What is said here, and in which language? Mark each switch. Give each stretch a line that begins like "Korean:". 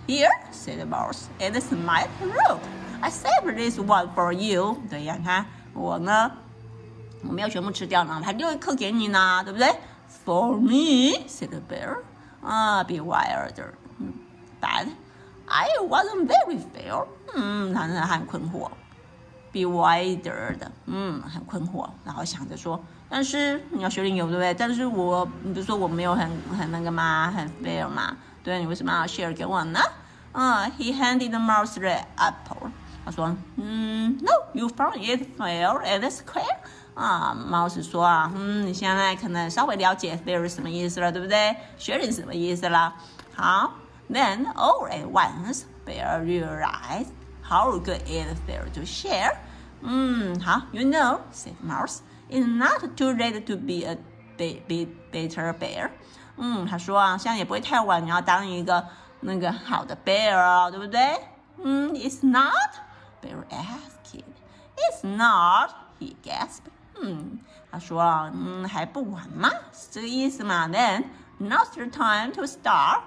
English: Here, said the mouse, and smiled, look, I saved this one for you,
Chinese: 对呀，你看我呢。我没有全部吃掉呢，还留一颗给你呢，对不对？
English: For me, said the bear, be wilder. But I wasn't very fair.
Chinese: 他很困惑。 be wider 的，嗯，很困惑，然后想着说，但是你要学理由，对不对？但是我，你不是说我没有很那个吗？很 fair 吗？对，你为什么要 share 给我呢？
English: He handed the mouse red apple.
Chinese: 他说，
English: No, you found it fair and square.
Chinese: mouse 说啊，你现在可能稍微了解 fair 什么意思了，对不对 ？sharing 什么意思了？
English: 好 ，then all at once, bear realized how good it fair to share. 好 ，you know, said mouse. It's not too late to be a better bear.
Chinese: 他说啊，现在也不会太晚，你要当一个那个好的 bear 啊，对不对？
English: It's not. Bear asked. It's not. He gasped.
Chinese: 他说啊，还不晚吗？是这个意思吗 ？
English: Then now's the time to start.